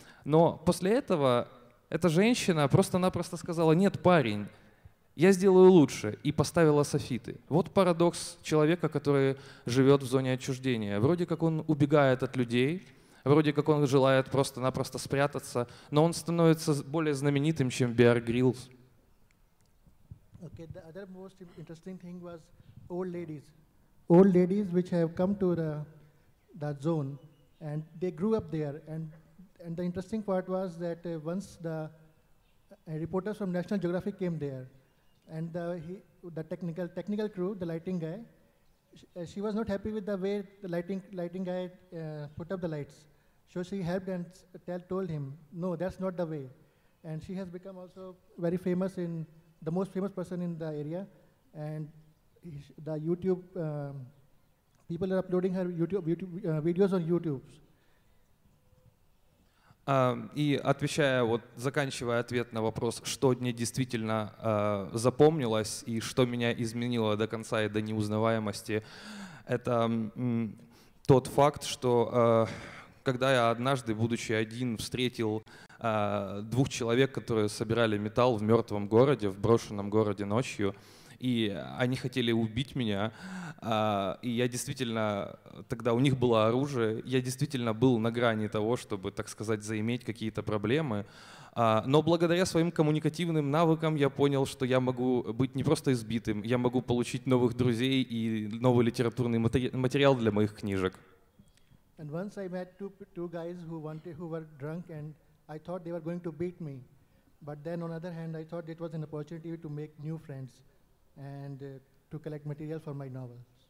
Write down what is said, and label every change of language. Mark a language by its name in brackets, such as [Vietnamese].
[Russian] Но после этого эта женщина просто-напросто сказала: «Нет, парень, я сделаю лучше», и поставила софиты. Вот парадокс человека, который живет в зоне отчуждения. Вроде как он убегает от людей, вроде как он желает просто-напросто спрятаться, но он становится более знаменитым, чем Bear Grylls. [English] Okay, the other most interesting thing was old ladies. Old ladies which have come to the that zone, and they grew up there. And the interesting part was that once the reporters from National Geographic came there, and the technical crew, the lighting guy, she was not happy with the way the lighting guy put up the lights. So she helped and told him, no, that's not the way. And she has become also very famous, in the most famous person in the area. And the YouTube people are uploading her YouTube videos on YouTube. [Russian] И отвечая, вот заканчивая ответ на вопрос, что мне действительно запомнилось и что меня изменило до конца и до неузнаваемости, это тот факт, что когда я однажды, будучи один, встретил двух человек, которые собирали металл в мертвом городе, в брошенном городе ночью, и они хотели убить меня, и я действительно, тогда у них было оружие, я действительно был на грани того, чтобы, так сказать, заиметь какие-то проблемы. Но благодаря своим коммуникативным навыкам я понял, что я могу быть не просто избитым, я могу получить новых друзей и новый литературный материал для моих книжек. [English] And once I met two guys who were drunk, and I thought they were going to beat me. But then on the other hand, I thought it was an opportunity to make new friends and to collect material for my novels.